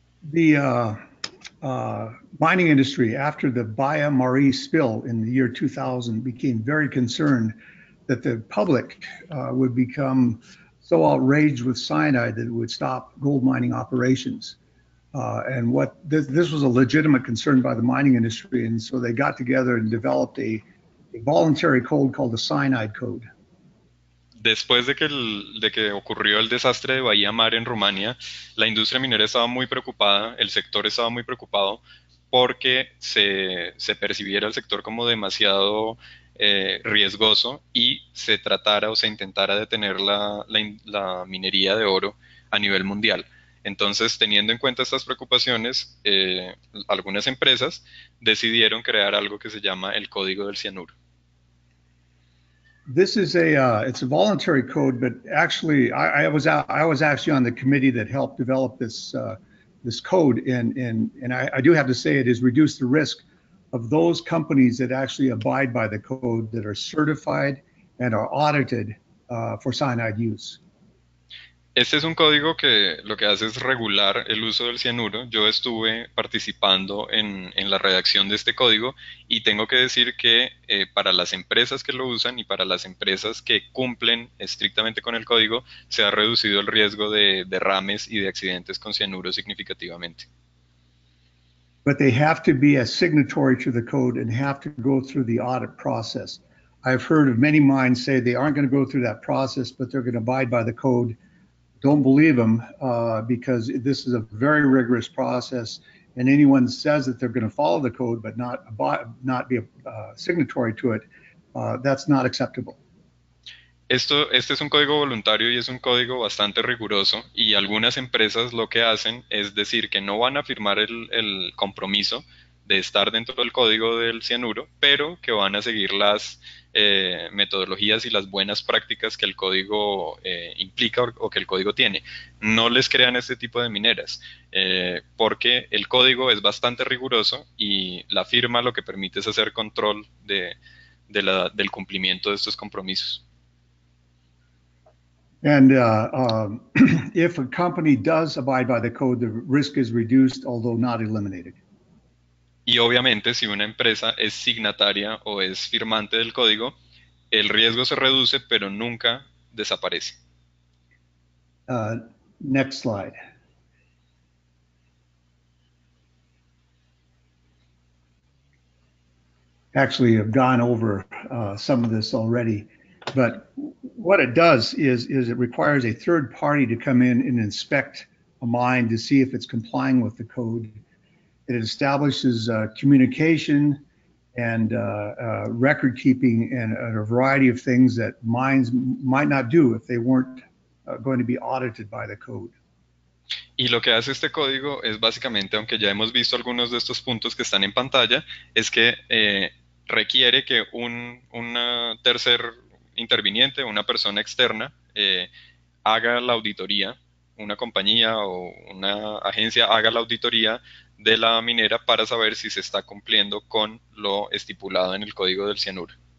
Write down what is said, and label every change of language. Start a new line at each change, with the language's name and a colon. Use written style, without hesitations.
English: The mining industry, after the Baie-Marie spill in the year 2000, became very concerned that the public would become so outraged with cyanide that it would stop gold mining operations. And what this was a legitimate concern by the mining industry, and so they got together and developed a voluntary code called the cyanide code.
Spanish: Después de que ocurrió el desastre de Bahía Mar en Rumania, la industria minera estaba muy preocupada, el sector estaba muy preocupado porque se percibiera el sector como demasiado riesgoso y se tratara o se intentara detener la minería de oro a nivel mundial. Entonces, teniendo en cuenta estas preocupaciones, algunas empresas decidieron crear algo que se llama el Código del Cianuro.
English: This is it's a voluntary code, but actually I was actually on the committee that helped develop this code, and I do have to say it has reduced the risk of those companies that actually abide by the code that are certified and are audited for cyanide use.
Spanish: Este es un código que lo que hace es regular el uso del cianuro. Yo estuve participando en la redacción de este código y tengo que decir que para las empresas que lo usan y para las empresas que cumplen estrictamente con el código, se ha reducido el riesgo de derrames y de accidentes con cianuro significativamente.
English: But they have to be a signatory to the code and have to go through the audit process. I've heard of many mines say they aren't going to go through that process, but they're going to abide by the code. Don't believe them, because this is a very rigorous process, and anyone says that they're going to follow the code but not be a signatory to it, that's not acceptable.
Spanish: Este es un código voluntario y es un código bastante riguroso y algunas empresas lo que hacen es decir que no van a firmar el compromiso de estar dentro del código del cianuro, pero que van a seguir las metodologías y las buenas prácticas que el código implica o que el código tiene. No les crean este tipo de mineras porque el código es bastante riguroso y la firma lo que permite es hacer control del cumplimiento de estos compromisos.
English: And if a company does abide by the code, the risk is reduced, although not eliminated.
Spanish: Y obviamente, si una empresa es signataria o es firmante del código, el riesgo se reduce, pero nunca desaparece.
English: Next slide. Actually, I've gone over some of this already. But what it does is it requires a third party to come in and inspect a mine to see if it's complying with the code. It establishes communication and record keeping and a variety of things that mines might not do if they weren't going to be audited by the code.
Spanish: Y lo que hace este código es básicamente, aunque ya hemos visto algunos de estos puntos que están en pantalla, es que requiere que un tercer interviniente, una persona externa, haga la auditoría, una compañía o una agencia haga la auditoría de la minera para saber si se está cumpliendo con lo estipulado en el código del cianuro.